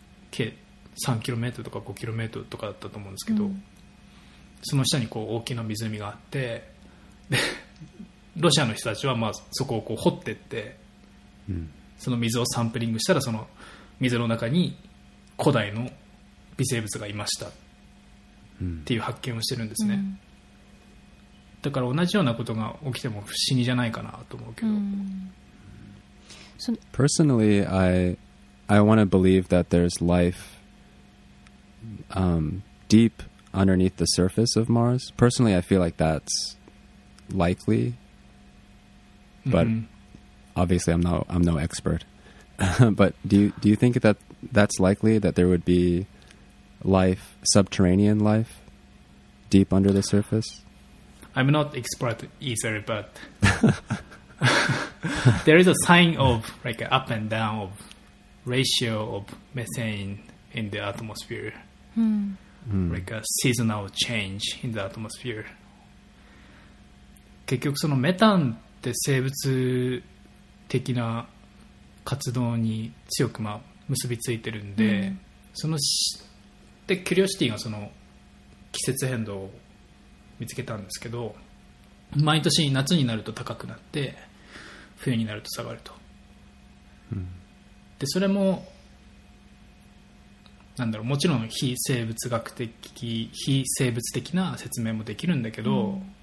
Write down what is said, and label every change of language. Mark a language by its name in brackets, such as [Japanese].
[Japanese] 計3キロメートルとか5キロメートルとかだったと思うんですけど、その下にこう大きな湖があって、でロシアの人たちはまあそこをこう掘っていって、その水をサンプリングしたら、その水の中に古代の微生物がいましたっていう発見をしてるんですね。だから同じようなことが起きても不思議じゃないかなと思うけど、 [English] Personally, I want to believe that there's life deep underneath the surface of Mars. Personally, I feel like that's likely, but obviously I'm no expert. But do you think that that's likely, that there would be life, subterranean life, deep under the surface? I'm not expert either, but there is a sign of like up and down of ratio of methane in the atmosphere, like a seasonal change in the atmosphere. [Japanese] 結局そのメタンって生物的な活動に強くまあ結びついてるんで、そのでキュリオシティがその季節変動を見つけたんですけど、毎年夏になると高くなって冬になると下がると、でそれもなんだろう、もちろん非生物学的、非生物的な説明もできるんだけど、